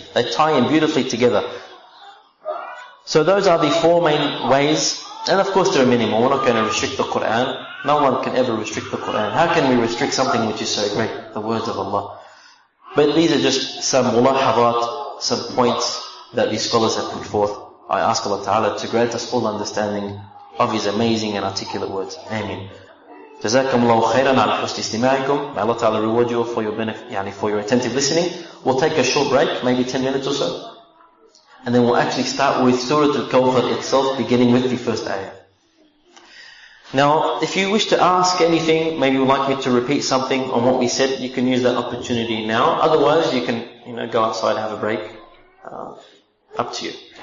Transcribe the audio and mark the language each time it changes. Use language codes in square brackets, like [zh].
[en] They tie in beautifully together. So those are the four main ways. And of course there are many more. We're not going to restrict the Qur'an. No one can ever restrict the Quran. How can we restrict something which is so great? The words of Allah. But these are just some mulahadat, some points that these scholars have put forth. I ask Allah Ta'ala to grant us all understanding of His amazing and articulate words. Ameen. [ar] جزاكم الله خيرا على حسن استماعكم. [en] May Allah Ta'ala reward you for your benefit, yani for your attentive listening. We'll take a short break, maybe 10 minutes or so. And then we'll actually start with Surah Al-Kawthar itself, beginning with the first ayah. Now, if you wish to ask anything, maybe you'd like me to repeat something on what we said, you can use that opportunity now. Otherwise, you can, you know, go outside and have a break. Up to you.